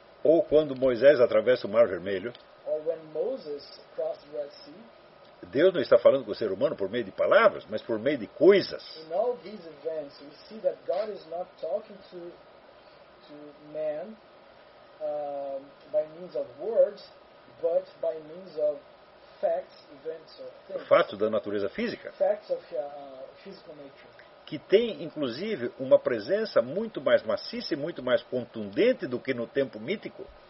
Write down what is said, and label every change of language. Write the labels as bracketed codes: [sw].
[pt] Ou quando Moisés atravessa o Mar Vermelho, [en] or when Moses crossed the Red Sea, [pt] Deus não está falando com o ser humano por meio de palavras, mas por meio de coisas. [en] In all these events we see that God is not talking to man by means of words, but by means of facts, events or things. [pt] Fatos da natureza física. [en] Facts of physical nature. [pt] Que tem, inclusive, uma presença muito mais maciça e muito mais contundente do que no tempo mítico.